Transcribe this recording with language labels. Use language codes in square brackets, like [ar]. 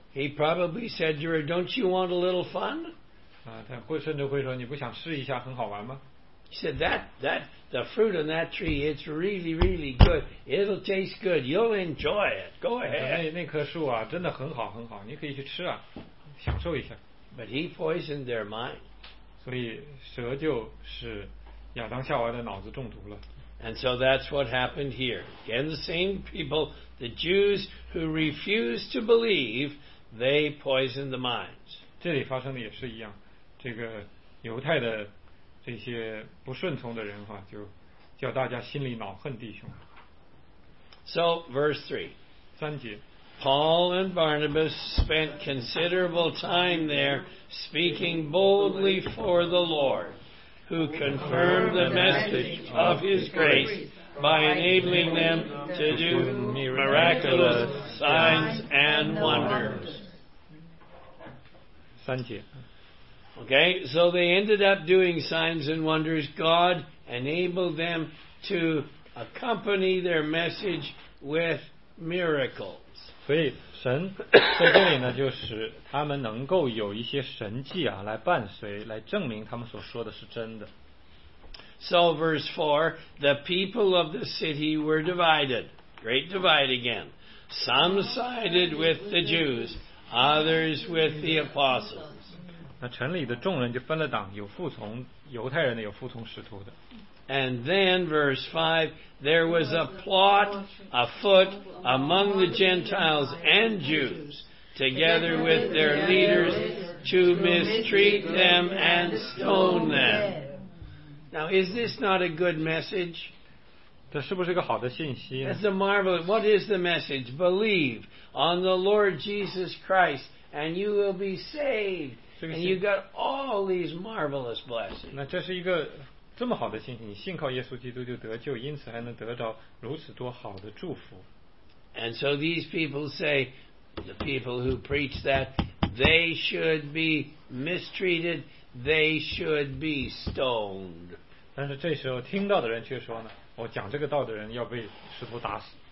[en] He probably said, "Don't you want a little fun?" [zh] 啊，他会甚至会说，你不想试一下很好玩吗？ [en] He said that the fruit on that tree, it's really, really good. It'll taste good. You'll enjoy it. Go ahead. [zh] 那棵树啊，真的很好很好，你可以去吃啊，享受一下。 [en] But he poisoned their mind. [zh] 所以蛇就使亚当夏娃的脑子中毒了。 [en] And so that's what happened here. Again, the same people, the Jews who refused to believe, they poisoned the minds. [zh] 这里发生的也是一样，这个犹太的这些不顺从的人哈，就叫大家心里恼恨弟兄。 [en] So verse 3. [zh] 三节。 [en] Paul and Barnabas spent considerable time there speaking boldly for the Lord. Who confirmed the message of his grace by enabling them to do miraculous signs and wonders. [zh] 三节。 [en] Okay, so they ended up doing signs and wonders. God enabled them to accompany their message with miracles. [zh] 所以神在这里呢，就是他们能够有一些神迹啊，来伴随，来证明他们所说的是真的。 [en] So verse 4, the people of the city were divided. Great divide again. Some sided with the Jews, others with the apostles. [zh] 那城里的众人就分了党，有服从犹太人的，有服从使徒的。 [en] And then, verse 5, there was a plot afoot among the Gentiles and Jews, together with their leaders, to mistreat them and stone them. Now, is this not a good message? [zh] 这是不是一个好的信息呢? [en] It's a marvelous. What is the message? Believe on the Lord Jesus Christ, and you will be saved. And you've got all these marvelous blessings. [zh] 那这是一个这么好的信息，你信靠耶稣基督就得救，因此还能得着如此多好的祝福。 [en] And so these people say, the people who preach that, they should be mistreated, they should be stoned. [zh] 但是这时候听到的人却说呢，我讲这个道的人要被石头打死。